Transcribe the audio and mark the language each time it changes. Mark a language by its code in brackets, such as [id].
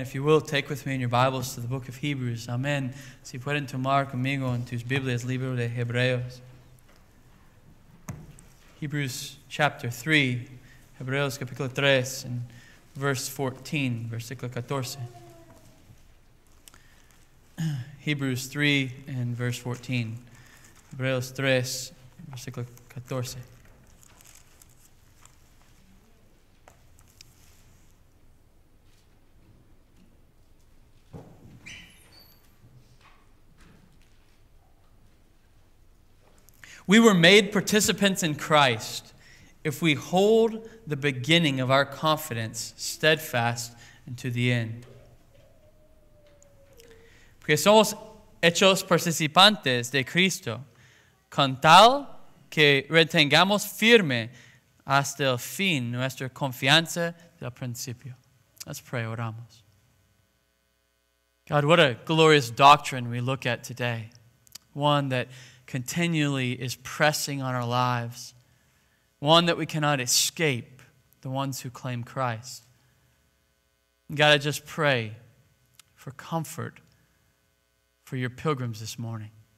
[en] If you will, take with me in your Bibles to the book of Hebrews. Amen. [es] Si pueden tomar conmigo en tus Biblias, libro de Hebreos. [en] Hebrews chapter 3, [es] Hebreos capítulo 3, [en] and verse 14, [es] versículo 14. [en] Hebrews 3 and verse 14. [es] Hebreos 3, versículo 14. [en] We were made participants in Christ if we hold the beginning of our confidence steadfast unto the end. [es] Porque somos hechos participantes de Cristo con tal que retengamos firme hasta el fin nuestra confianza del principio. [en] Let's pray, [es] oramos. [en] God, what a glorious doctrine we look at today. One that continually is pressing on our lives, one that we cannot escape, the ones who claim Christ. God, I just pray for comfort for your pilgrims this morning.